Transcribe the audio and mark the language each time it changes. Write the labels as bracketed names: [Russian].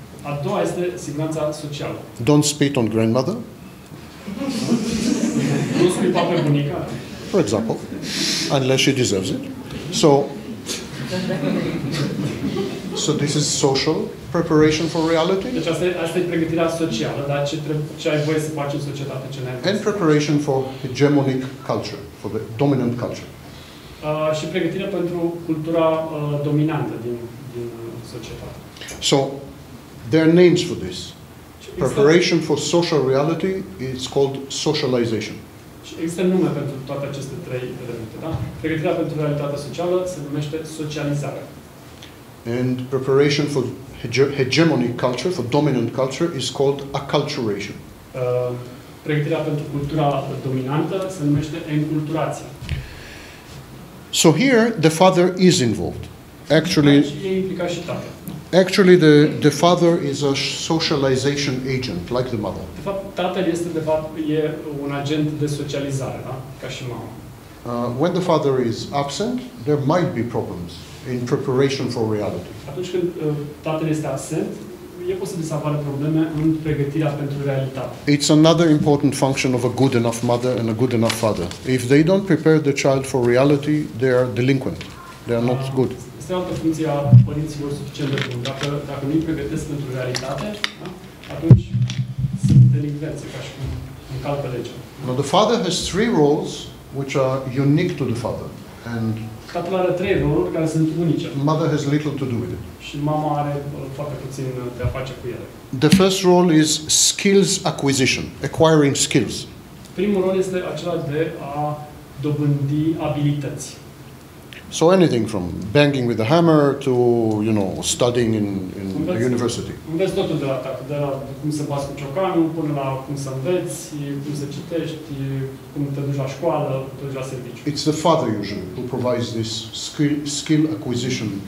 [Romanian] A doua este siguranța socială. [English] Don't spit on grandmother. [Romanian] Nu spita pe bunica. [English] For example. Unless she deserves it. So... So this is social preparation for reality? [Romanian] Deci asta e pregătirea socială, dar ce ai voie să faci în societate, ce n-ai voie. [English] And preparation for hegemonic culture, for the dominant culture. [Romanian] Și pregătirea pentru cultura dominantă din societate. [English] So, there are names for this. Preparation for social reality is called socialization. [Romanian] Și există nume pentru toate aceste 3 elemente, da? Pregătirea pentru realitatea socială se numește socializare. [English] And preparation for hegemonic culture, for dominant culture, is called acculturation. [Romanian] Pregătirea pentru cultura dominantă se numește enculturație. [English] So here, the father is involved. Actually, [Romanian] e implicat și tatăl. [English] Actually, the father is a socialization agent, like the mother. [Romanian] De fapt, tatăl este un agent de socializare, da? Ca și mama. [English] When the father is absent, there might be problems in preparation for reality. [Romanian] Atunci când tatăl este absent, e posibil să apară probleme în pregătirea pentru realitate. [English] It's another important function of a good enough mother and a good enough father. If they don't prepare the child for reality, they are delinquent. They are not good. [Romanian] Este altă funcție a părinților suficient de bun. Dacă nu îi pregătesc pentru realitate, da? Atunci sunt delinvenți, ca și cum încalcă legea. [English] Now the father has 3 roles which are unique to the father. And [Romanian] tatăl are 3 roluri care sunt unice. [English] Mother has little to do with it. [Romanian] Și mama are foarte puțin de a face cu ele. [English] The first role is skills acquisition, acquiring skills. [Romanian] Primul rol este acela de a dobândi abilități. [English] So anything from banging with a hammer to, you know, studying in the university. [Romanian] Înveți totul de la tată, de la cum să bați cu ciocanul până la cum să înveți, cum să citești, cum te duci la școală, te duci la serviciu. [English] It's the father usually who provides this skill acquisition.